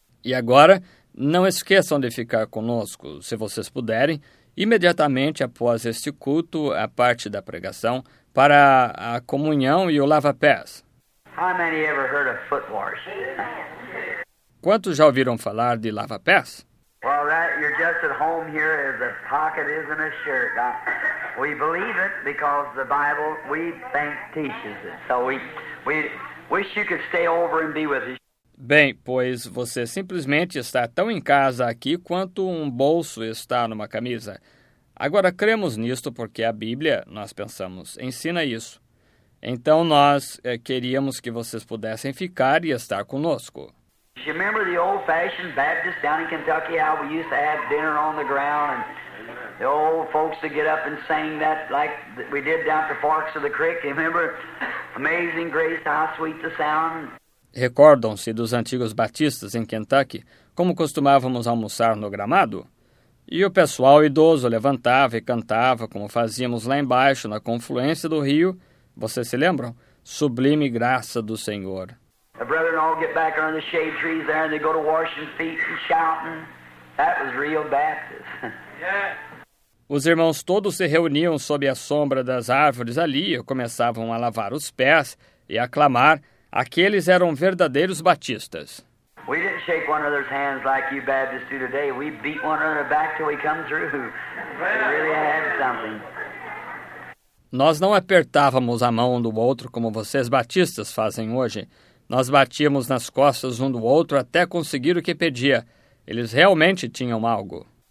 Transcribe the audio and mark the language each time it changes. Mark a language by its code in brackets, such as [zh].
[pt] E agora, não esqueçam de ficar conosco, se vocês puderem, Imediatamente após este culto, a parte da pregação, para a comunhão e o lava-pés. [en] How many ever heard of foot wash? [pt] Quantos já ouviram falar de lava-pés? [en] Well, that you're just at home here as a pocket isn't a shirt. We believe it because the Bible, we think, teaches it. So we wish you could stay over and be with us. [pt] Bem, pois você simplesmente está tão em casa aqui quanto um bolso está numa camisa. Agora, cremos nisto porque a Bíblia, nós pensamos, ensina isso. Então, nós queríamos que vocês pudessem ficar e estar conosco. [en] You remember the old-fashioned Baptist down in Kentucky, how we used to have dinner on the ground, and the old folks would get up and sing that like we did down at the Forks of the Creek. You remember? Amazing grace, how sweet the sound. [pt] Recordam-se dos antigos batistas em Kentucky, como costumávamos almoçar no gramado? E o pessoal idoso levantava e cantava, como fazíamos lá embaixo, na confluência do rio. Vocês se lembram? Sublime graça do Senhor. [en] The brethren all get back under the shade trees there, and they go to washing feet and shouting. That was real Baptist. [pt] Os irmãos todos se reuniam sob a sombra das árvores ali e começavam a lavar os pés e a clamar. Aqueles eram verdadeiros batistas. [en] We didn't shake one another's hands like you Baptists do today. We beat one another back till we come through. We really had something. [pt] Nós não apertávamos a mão um do outro como vocês batistas fazem hoje. Nós batíamos nas costas um do outro até conseguir o que pedia. Eles realmente tinham algo.